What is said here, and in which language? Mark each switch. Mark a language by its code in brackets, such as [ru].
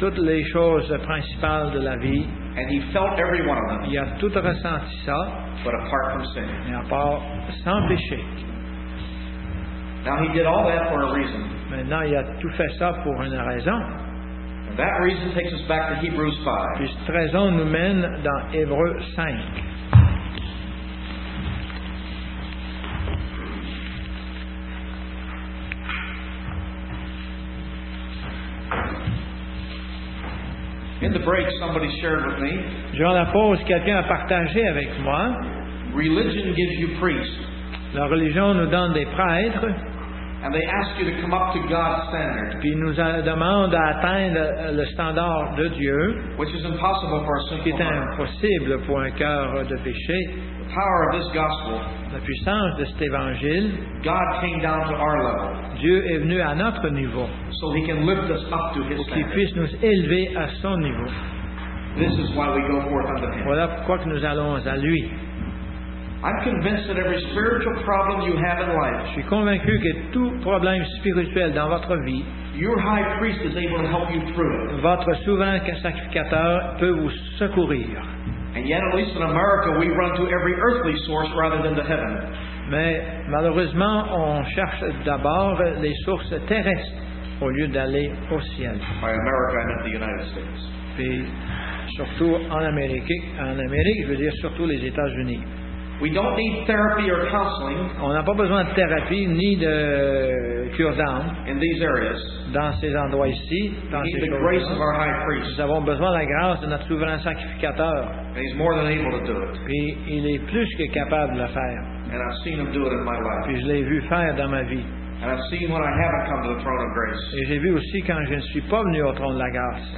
[fr] Toutes les choses principales de la vie. [en] And he felt every one of them. [fr] Il a tout ressenti ça. [en] But apart from sin. [fr] Mais à part sans péché. [en] Now he did all that for a reason. [fr] Maintenant il a tout fait ça pour une raison. [en] And that reason takes us back to Hebrews 5. [fr] Puis cette raison nous mène dans Hébreux 5. [en] In the break, somebody shared with me. [fr] Durant la pause, quelqu'un a partagé avec moi. [en] Religion gives you priests. [fr] La religion nous donne des prêtres. [en] And they ask you to come up to God's standard. [fr] Puis ils nous demandent d'atteindre le standard de Dieu. [en] Which is impossible for a sinful heart. [fr] Qui est impossible pour un cœur de péché. [en] The power of this gospel. [fr] La puissance de cet évangile. [en] God came down to our level. [fr] Dieu est venu à notre niveau. [en] So he can lift us up to his standard. [fr] Pour qu'il puisse nous élever à son niveau. [en] This is why we go forth unto him. [fr] Voilà pourquoi que nous allons à lui. [en] I'm convinced that every spiritual problem you have in life. [fr] Je suis convaincu que tout problème spirituel dans votre vie. [en] Your high priest is able to help you through. [fr] Votre souverain sacrificateur peut vous secourir. [en] And yet, at least in America, we run to every earthly source rather than to heaven. [fr] Mais malheureusement, on cherche d'abord les sources terrestres au lieu d'aller au ciel. [en] By America, I meant the United States. [fr] Puis, surtout en Amérique, je veux dire surtout les États-Unis. [en] We don't need therapy or counseling. [fr] On n'a pas besoin de thérapie ni de cure d'âme. [en] In these areas, [fr] dans ces endroits ici, dans [en] we need [fr] ces [en] the grace of our high priest. [fr] Nous avons besoin de la grâce de notre souverain sacrificateur. [en] And he's more than able to do it. [fr] Puis il est plus que capable de le faire. [en] And I've seen him do it in my life. [fr] Puis je l'ai vu faire dans ma vie. [en] And I've seen when I haven't come to the throne of grace. [fr] Et j'ai vu aussi quand je ne suis pas venu au trône de la grâce.